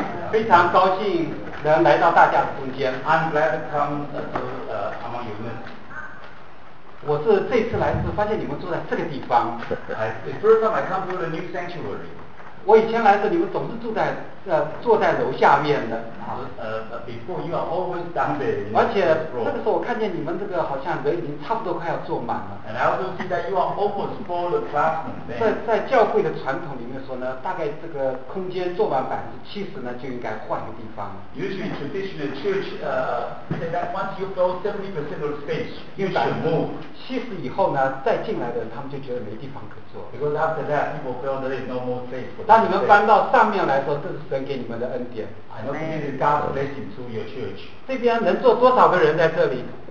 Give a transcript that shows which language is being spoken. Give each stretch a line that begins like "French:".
Chinese: 非常高兴能来到大家的中间。
English: I'm glad to come to among you men.
Chinese: 我是这次来是发现你们住在这个地方。
English: The first time I come to the new sanctuary.
Chinese: 我以前来的你们总是住在坐在楼下面的。
English: Before you are always down there.
Chinese: 而且那个时候我看见你们这个好像人已经差不多快要坐满了。
English: And I also see that you are almost full of classmen.
Chinese: 在教会的传统里面说呢，大概这个空间坐满70%呢，就应该换个地方。
English: Usually in traditional church, say that once you fill 70% of space, you should move.
Chinese: 70%以后呢，再进来的人他们就觉得没地方可坐。
English: Because after that, people feel there is no more space.
Chinese: 当你们搬到上面来说，这是神给你们的恩典。
English: I know this is God's blessing to your church.
Chinese: 这边能坐多少个人在这里？